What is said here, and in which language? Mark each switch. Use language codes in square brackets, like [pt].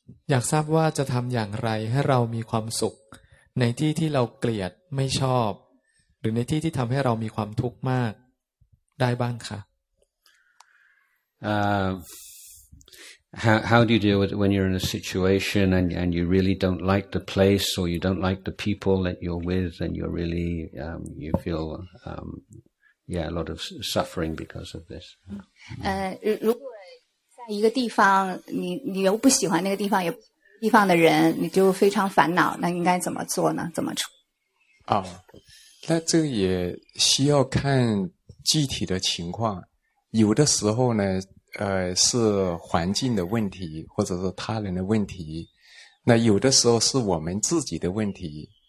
[th] อยากทราบว่าจะทำอย่างไรให้เรามีความสุขในที่ที่เราเกลียดไม่ชอบหรือในที่ที่ทำให้เรามีความทุกข์มากได้บ้างคะ [en] How do you deal with it when you're in a situation and you really don't like the place or you don't like the people that you're with and you're really, you feel, a lot of suffering because of this. [zh] 如果在一个地方你又不喜欢那个地方也地方的人你就非常烦恼那应该怎么做呢怎么处那这也需要看具体的情况有的时候呢是环境的问题或者是他人的问题那有的时候是我们自己的问题